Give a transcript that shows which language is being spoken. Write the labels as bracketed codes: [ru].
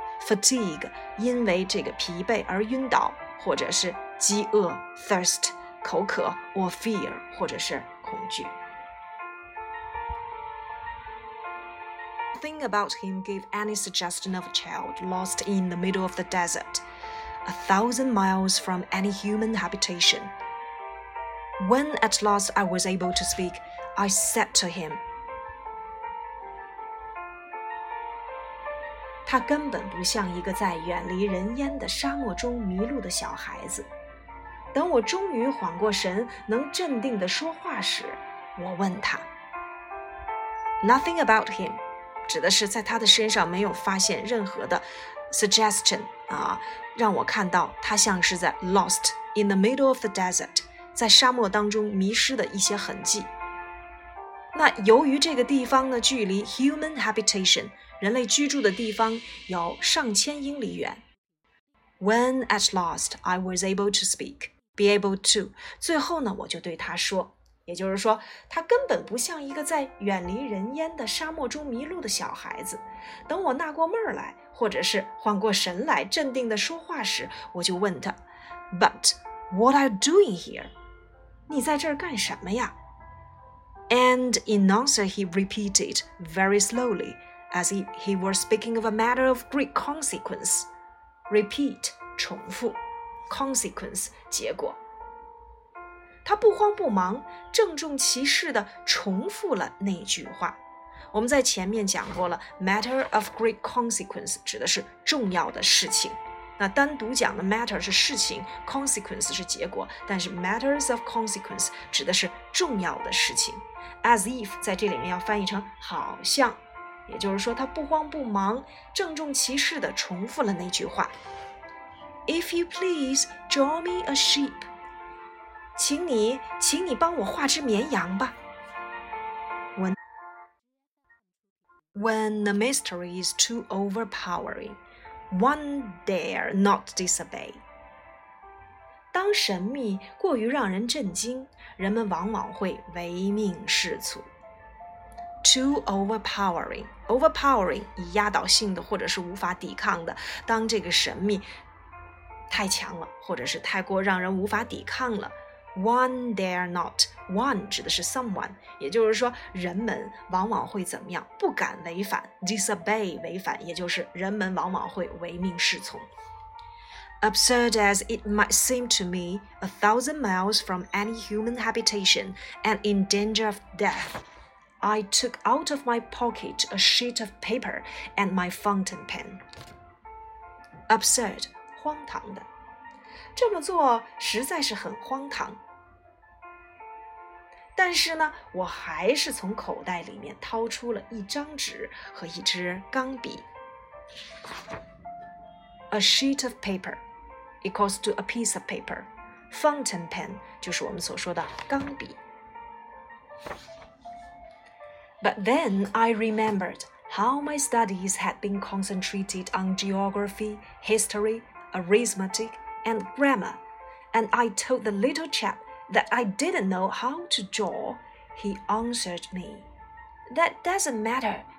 [zh] fatigue 因为这个疲惫而晕倒，或者是饥饿 thirst 口渴 [en] or fear [zh] 或者是恐惧。 [en] Nothing about him gave any suggestion of a child lost in the middle of the desert, 1,000 miles from any human habitation. When at last I was able to speak, I said to him, [zh] 他根本不像一个在远离人烟的沙漠中迷路的小孩子。等我终于缓过神，能镇定地说话时，我问他。 [en] Nothing about him. [zh] 指的是在他的身上没有发现任何的 suggestion 啊，让我看到他像是在 [en] lost in the middle of the desert [zh] 在沙漠当中迷失的一些痕迹。那由于这个地方呢距离 human habitation 人类居住的地方有上千英里远。 [en] When at last I was able to speak [zh] be able to 最后呢我就对他说，也就是说他根本不像一个在远离人烟的沙漠中迷路的小孩子。等我纳过闷儿来，或者是缓过神来镇定地说话时，我就问他 [en] But what are you doing here? [zh] 你在这儿干什么呀？ [en] And in answer he repeated very slowly as if he were speaking of a matter of great consequence. [zh] Repeat, 重复 Consequence, 结果。他不慌不忙，郑重其事地重复了那句话。我们在前面讲过了 , [en] matter of great consequence [zh] 指的是重要的事情。那单独讲的 matter 是事情 ,consequence 是结果，但是 [en] matters of consequence [zh] 指的是重要的事情。 As if 在这里面要翻译成好像，也就是说他不慌不忙，郑重其事地重复了那句话。 [en] If you please, draw me a sheep. [zh] 请你帮我画只绵羊吧。 [en] When the mystery is too overpowering, one dare not disobey. [zh] 当神秘过于让人震惊，人们往往会唯命是从。 Too overpowering, overpowering 以压倒性的或者是无法抵抗的，当这个神秘太强了，或者是太过让人无法抵抗了。 [en] One dare not. [zh] One 指的是 someone， 也就是说，人们往往会怎么样？不敢违反 ，disobey 违反，也就是人们往往会唯命是从。 [en] Absurd as it might seem to me, 1,000 miles from any human habitation and in danger of death, I took out of my pocket a sheet of paper and my fountain pen. [zh] Absurd， 荒唐的。这么做实在是很荒唐，但是呢，我还是从口袋里面掏出了一张纸和一支钢笔。 [en] A sheet of paper equals to a piece of paper. [zh] Fountain pen 就是我们所说的钢笔。 [en] But then I remembered how my studies had been concentrated on geography, history, arithmetic. And grammar, and I told the little chap that I didn't know how to draw. He answered me, "That doesn't matter.